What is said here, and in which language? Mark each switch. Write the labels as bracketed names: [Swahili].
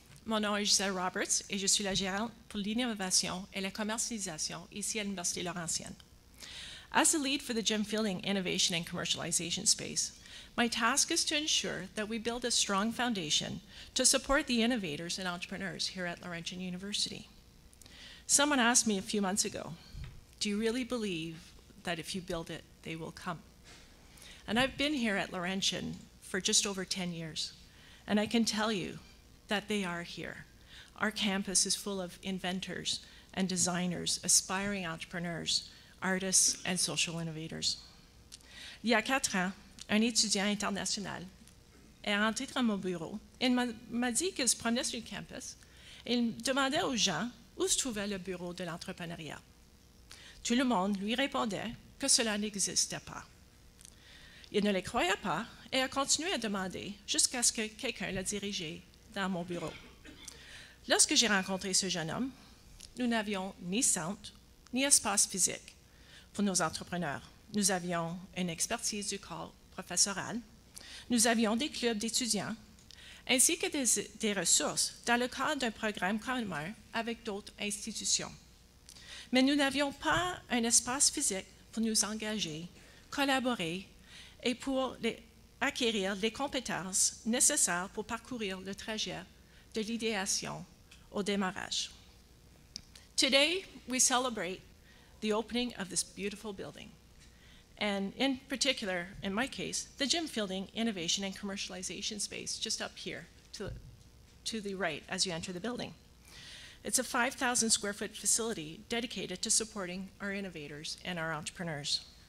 [French] Mon nom est Giselle Roberts et je suis la gérante pour l'innovation et la commercialisation ici à l'Université Laurentienne. [English] As the lead for the Jim Fielding Innovation and Commercialization Space, my task is to ensure that we build a strong foundation to support the innovators and entrepreneurs here at Laurentian University. Someone asked me a few months ago, do you really believe that if you build it, they will come? And I've been here at Laurentian for just over 10 years, and I can tell you that they are here. Our campus is full of inventors and designers, aspiring entrepreneurs, artists, and social innovators. [French] Il y a quatre ans, un étudiant international est rentré dans mon bureau. Il m'a dit qu'il se promenait sur le campus et il demandait aux gens où se trouvait le bureau de l'entrepreneuriat. Tout le monde lui répondait que cela n'existait pas. Il ne les croyait pas et a continué à demander jusqu'à ce que quelqu'un le dirige dans mon bureau. Lorsque j'ai rencontré ce jeune homme, nous n'avions ni centre ni espace physique pour nos entrepreneurs. Nous avions une expertise du corps professoral, nous avions des clubs d'étudiants, ainsi que des ressources dans le cadre d'un programme commun avec d'autres institutions. Mais nous n'avions pas un espace physique pour nous engager, collaborer et pour les acquérir les compétences nécessaires pour parcourir le trajet de l'idéation au démarrage. [English] Today, we celebrate the opening of this beautiful building, and in particular, in my case, the Jim Fielding Innovation and Commercialization Space just up here to the right as you enter the building. It's a 5,000 square foot facility dedicated to supporting our innovators and our entrepreneurs.